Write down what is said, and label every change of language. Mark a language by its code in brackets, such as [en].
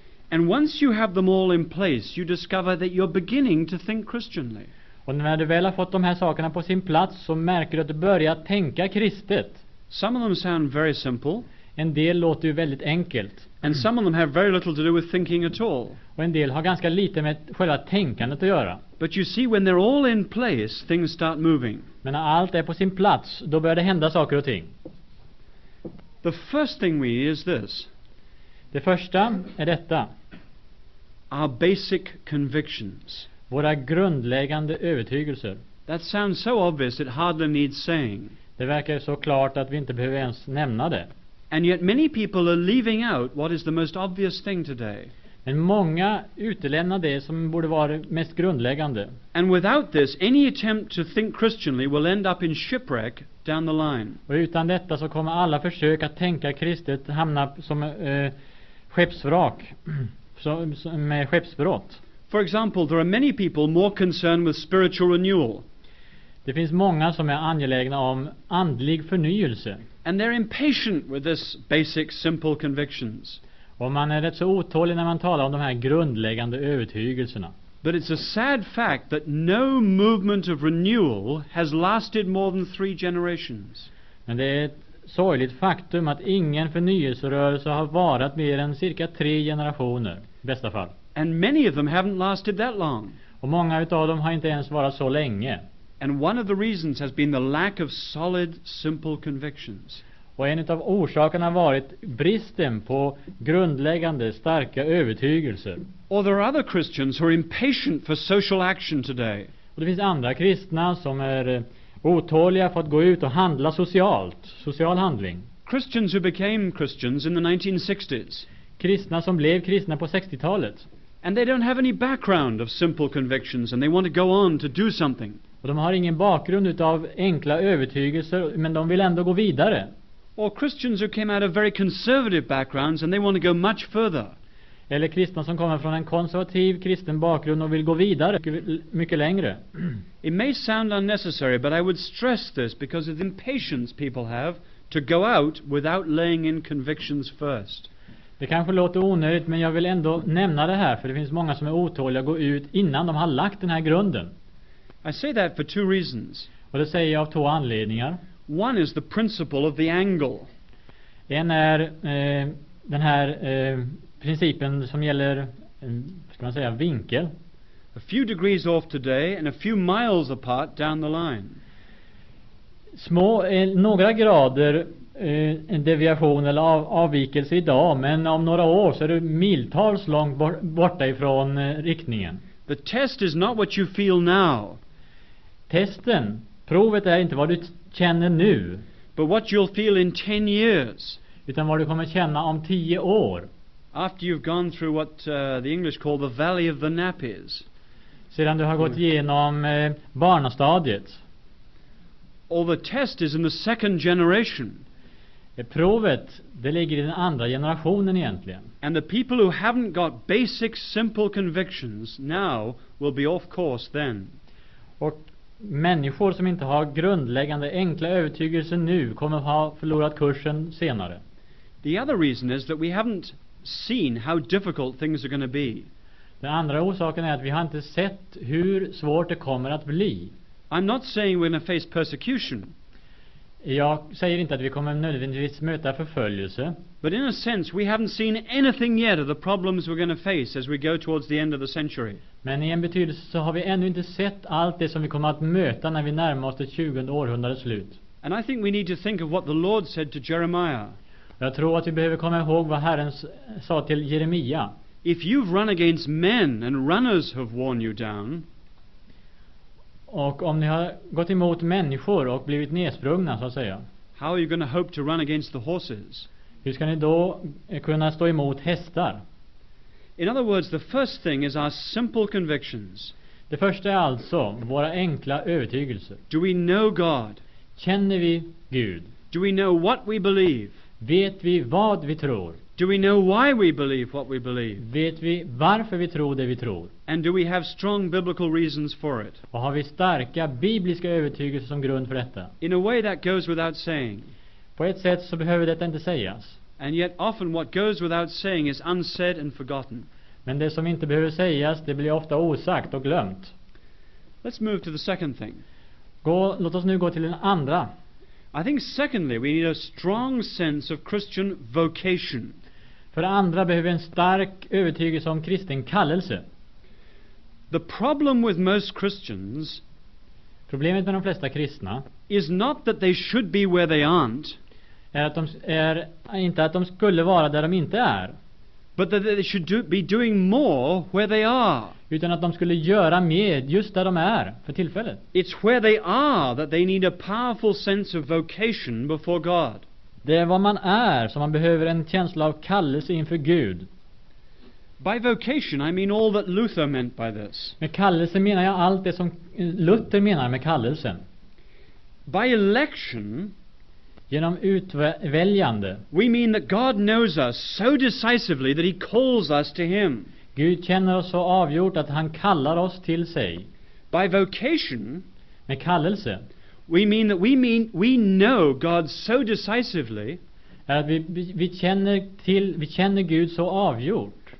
[en] And once you have them all in place, you discover that you're beginning to think Christianly. [sv] Och när du väl har fått de här sakerna på sin plats så märker du att du börjar tänka kristet. [en] Some of them sound very simple. [sv] En del låter ju väldigt enkelt. [en] And some of them have very little to do with thinking at all. [sv] Och en del har ganska lite med själva tänkandet att göra. [en] But you see when they're all in place, things start moving. [sv] Men när allt är på sin plats, då börjar det hända saker och ting. [en] The first thing we need is this. [sv] Det första är detta. [en] Our basic convictions. [sv] Våra grundläggande övertygelser. [en] That sounds so obvious it hardly needs saying. [sv] Det verkar så klart att vi inte behöver ens nämna det. [en] And yet many people are leaving out what is the most obvious thing today. [sv] Men många utelämnar det som borde vara mest grundläggande. [en] And without this any attempt to think Christianly will end up in shipwreck down the line. [sv] Och utan detta så kommer alla försök att tänka kristet hamna som skeppsvrak med skeppsbrott. [en] For example, there are many people more concerned with spiritual renewal. [sv] Det finns många som är angelägna om andlig förnyelse. [en] And they're impatient with this basic simple convictions. [sv] Och man är rätt så otålig när man talar om de här grundläggande övertygelserna. [en] But it's a sad fact that no movement of renewal has lasted more than 3 generations. [sv] Men det är ett sorgligt faktum att ingen förnyelserörelse har varat mer än cirka 3 generationer, i bästa fall. [en] And many of them haven't lasted that long. [sv] Och många av dem har inte ens varat så länge. [en] And one of the reasons has been the lack of solid, simple convictions. [sv] Och en av orsakerna har varit bristen på grundläggande starka övertygelser. [en] Or there are other Christians who are impatient for social action today. [sv] Och det finns andra kristna som är otåliga för att gå ut och handla socialt, social handling. [en] Christians who became Christians in the 1960s. [sv] Kristna som blev kristna på 60-talet. [en] And they don't have any background of simple convictions and they want to go on to do something. [sv] Och de har ingen bakgrund utav enkla övertygelser, men de vill ändå gå vidare. [en] Or Christians who came out of very conservative backgrounds and they want to go much further. [sv] Eller kristna som kommer från en konservativ kristen bakgrund och vill gå vidare mycket längre. [en] It may sound unnecessary, but I would stress this because of the impatience people have to go out without laying in convictions first. [sv] Det kanske låter onödigt, men jag vill ändå nämna det här, för det finns många som är otåliga att gå ut innan de har lagt den här grunden. [en] I say that for two reasons. [sv] Och det säger jag av två anledningar. [en] One is the principle of the angle. [sv] En är den här principen som gäller ska man säga vinkel. [en] A few degrees off today and a few miles apart down the line. [sv] Små några grader en deviation eller avvikelse idag, men om några år så är du miltals långt borta ifrån riktningen. [en] The test is not what you feel now. [sv] Testen, provet är inte vad du känner nu, [en] but what you'll feel in 10 years. [sv] Utan vad du kommer känna om 10 år. [en] After you've gone through what the English call the valley of the nappies. [sv] Sedan du har gått igenom barnastadiet. [en] All the test is in the second generation. [sv] Provet, det ligger i den andra generationen egentligen. [en] And the people who haven't got basic simple convictions now will be off course then. [sv] Och människor som inte har grundläggande enkla övertygelser nu kommer ha förlorat kursen senare. [en] The other reason is that we haven't seen how difficult things are going to be. [sv] Den andra orsaken är att vi har inte sett hur svårt det kommer att bli. [en] I'm not saying we're going to face persecution. [sv] Jag säger inte att vi kommer nödvändigtvis möta förföljelse. [en] But in a sense we haven't seen anything yet of the problems we're going to face as we go towards the end of the century. [sv] Men i en betydelse så har vi ännu inte sett allt det som vi kommer att möta när vi närmar oss det 20:e århundradets slut. [en] And I think we need to think of what the Lord said to Jeremiah. [sv] Jag tror att vi behöver komma ihåg vad Herren sa till Jeremia. [en] If you've run against men and runners have worn you down. [sv] Och om ni har gått emot människor och blivit nedsprungna så att säga. [en] How are you going to hope to run against the horses? [sv] Hur ska ni då kunna stå emot hästar? [en] In other words, the first thing is our simple convictions. [sv] Det första är alltså våra enkla övertygelser. [en] Do we know God? [sv] Känner vi Gud? [en] Do we know what we believe? [sv] Vet vi vad vi tror? [en] Do we know why we believe what we believe? [sv] Vet vi varför vi tror det vi tror? [en] And do we have strong biblical reasons for it? [sv] Och har vi starka bibliska övertygelser som grund för detta? [en] In a way that goes without saying. [sv] På ett sätt så behöver detta inte sägas. [en] And yet often what goes without saying is unsaid and forgotten. [sv] Men det som inte behöver sägas, det blir ofta osagt och glömt. [en] Let's move to the second thing. [sv] Låt oss nu gå till den andra. [en] I think secondly we need a strong sense of Christian vocation. [sv] För det andra behöver vi en stark övertygelse om kristen kallelse. [en] The problem with most Christians, [sv] problemet med de flesta kristna, [en] is not that they should be where they aren't, [sv] är att de är inte att de skulle vara där de inte är, [en] but that they should be doing more where they are. [sv] Utan att de skulle göra mer just där de är för tillfället. [en] It's where they are that they need a powerful sense of vocation before God. [sv] Det är var man är som man behöver en känsla av kallelse inför Gud. [en] By vocation I mean all that Luther meant by this. [sv] Med kallelse menar jag allt det som Luther menar med kallelsen. [en] By election, [sv] genom utväljande, [en] we mean that God knows us so decisively that he calls us to him. [sv] Gud känner oss så avgjort att han kallar oss till sig. [en] By vocation, [sv] med kallelse, [en] we know God so decisively, [sv] att vi känner Gud så avgjort,